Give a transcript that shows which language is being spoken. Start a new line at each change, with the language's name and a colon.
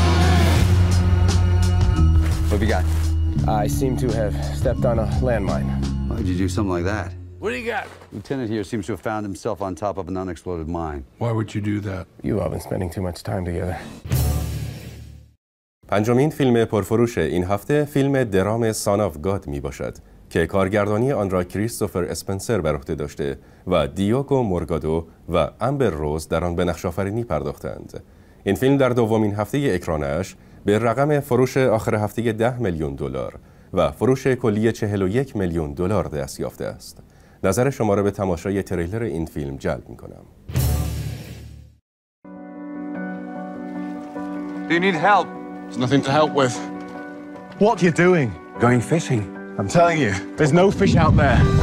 English: What have you got? I seem to have stepped on a landmine. Why'd you do something like that? What do you got? Lieutenant here seems to have found himself on top of an unexploded mine. Why would you do that? You all been spending too much time together.
Persian: پنجمین فیلم پرفروش این هفته فیلم درام سان آف گاد می باشد که کارگردانی آن را کریستوفر اسپنسر بر عهده داشته و دیوگو مورگادو و امبر روز در آن به نقش آفرینی پرداختند. این فیلم در دومین هفته اکرانش به رقم فروش آخر هفته 10 میلیون دلار و فروش کلی 41 میلیون دلار دست یافته است. نظر شما را به تماشای تریلر این فیلم جلب می کنم.
English: Do you need help? There's nothing to help with. What are you doing? Going fishing. I'm telling you, there's no fish out there.